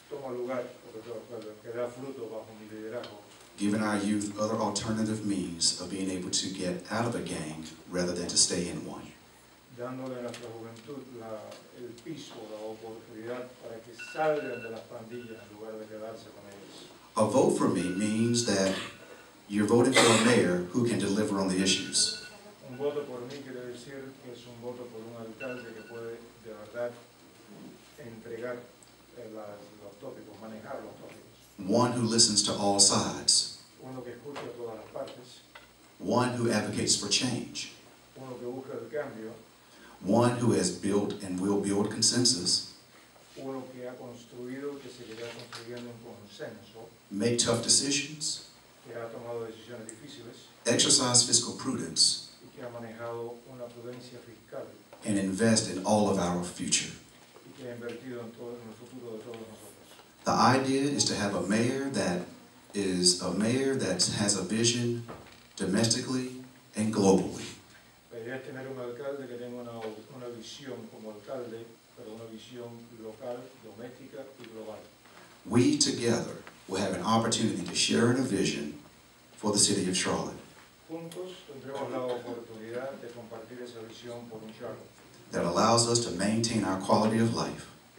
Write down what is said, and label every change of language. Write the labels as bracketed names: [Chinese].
[Spanish] mejor lugar que da fruto bajo mi liderazgo. [English] Giving our youth other alternative means of being able to get out of a gang rather than to stay in one. [Spanish] Dándole a nuestra juventud la, el piso, la oportunidad para que salgan de las pandillas en lugar de quedarse con ellas. [English] A vote for me means that you're voting for a mayor who can deliver on the issues. [Spanish] Un voto por mí quiere decir que es un voto por un alcalde que puede de verdad entregar las, los tópicos, manejar los tópicos. [English] One who listens to all sides. [Spanish] Uno que escucha todas las partes. [English] One who advocates for change. [Spanish] Uno que busca el cambio. [English] One who has built and will build consensus. [Spanish] Uno que ha construido, que seguirá construyendo un consenso. [English] Make tough decisions. [Spanish] Que ha tomado decisiones difíciles. [English] Exercise fiscal prudence. [Spanish] Y que ha manejado una prudencia fiscal. [English] And invest in all of our future. [Spanish] Y que ha invertido en todo, en el futuro de todos nosotros. [English] The idea is to have a mayor that is a mayor that has a vision domestically and globally. [Spanish] La idea es tener un alcalde que tenga una visión como alcalde, pero una visión local, doméstica y global. [English] We together will have an opportunity to share in a vision for the city of Charlotte. [Spanish] Juntos tendremos la oportunidad de compartir esa visión por un Charlotte. [English] That allows us to maintain our quality of life.